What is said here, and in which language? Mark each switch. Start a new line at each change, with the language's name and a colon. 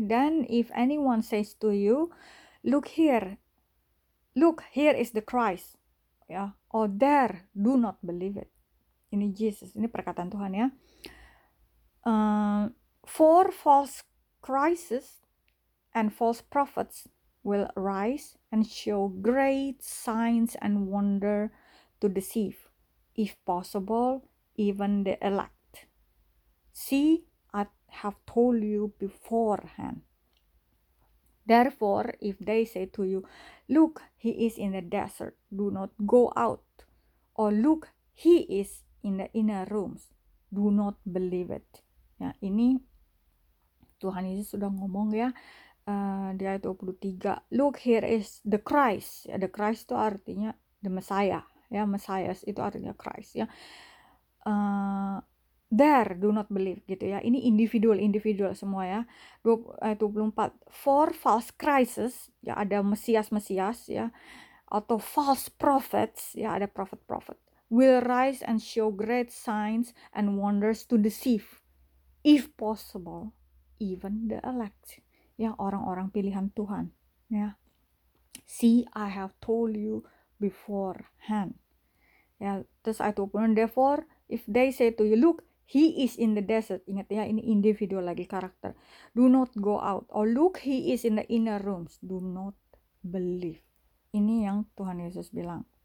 English: Then if anyone says to you, look here is the Christ, ya, or there, do not believe it.
Indonesian: Ini Yesus, ini perkataan Tuhan ya.
English: For false Christs and false prophets will arise and show great signs and wonder to deceive, if possible, even the elect. See, I have told you beforehand. Therefore, if they say to you, look, he is in the desert, do not go out. Or look, he is in the inner rooms, do not believe it.
Indonesian: Ya, ini Tuhan Yesus sudah ngomong ya. Di ayat 23,
English: look, here is the Christ. Ya, the Christ
Indonesian: itu artinya
English: the Messiah.
Indonesian: Ya, Messiah itu artinya Christ. Ya.
English: There, do not believe.
Indonesian: Gitu ya. Ini individual semua ya. Ayat 24,
English: for false Christs, ya,
Indonesian: ada Mesias-Mesias ya, atau
English: false prophets, ya,
Indonesian: ada prophet-prophet,
English: will rise and show great signs and wonders to deceive, if possible, even the elect.
Indonesian: Ya, orang-orang pilihan Tuhan.
English: Ya. See, I have told you beforehand.
Indonesian: Ya, terus ayat 20,
English: therefore, if they say to you, look, he is in the desert.
Indonesian: Ingat ya, ini individual lagi karakter.
English: Do not go out. Or look, he is in the inner rooms. Do not believe.
Indonesian: Ini yang Tuhan Yesus bilang.